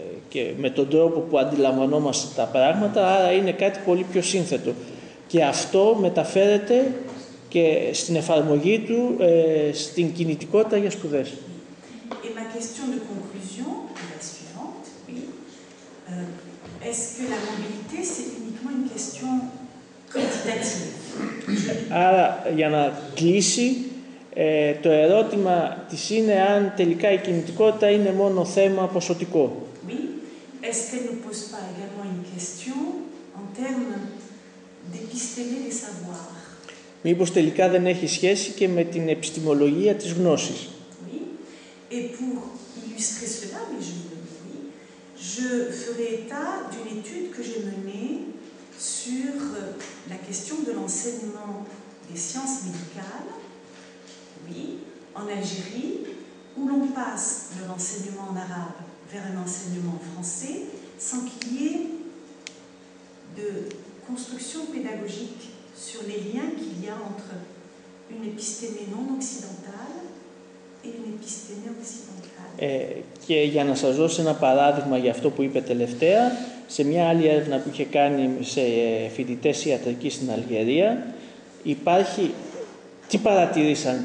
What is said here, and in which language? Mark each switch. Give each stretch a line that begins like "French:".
Greek: και με τον τρόπο που αντιλαμβανόμαστε τα πράγματα, άρα είναι κάτι πολύ πιο σύνθετο. Και αυτό μεταφέρεται και στην εφαρμογή του στην κινητικότητα για σπουδές.
French: Et ma question de conclusion est la suivante, oui. Est-ce que la mobilité c'est uniquement une question quantitative?
Greek: Άρα, για να κλείσει, το ερώτημα της είναι αν τελικά η κινητικότητα είναι μόνο θέμα ποσοτικό.
French: Oui. Est-ce qu'elle ne pose pas également une question en termes d'épistémie des savoirs?
Greek: Μήπως τελικά δεν έχει σχέση και με την επιστημολογία της γνώσης.
French: Oui. Et pour illustrer cela, mais je le dis, je ferai état d'une étude que j'ai menée sur la question de l'enseignement des sciences médicales, oui, en Algérie, où l'on passe de l'enseignement en arabe vers un enseignement en français sans qu'il y ait de construction pédagogique sur les liens qu'il y a entre une épistémie non occidentale et une épistémie occidentale.
Greek: Και για να σας δώσω ένα παράδειγμα για αυτό που είπε τελευταία, σε μια άλλη έρευνα που είχε κάνει σε φοιτητές ιατρικής στην Αλγερία, υπάρχει... Τι παρατηρήσαν?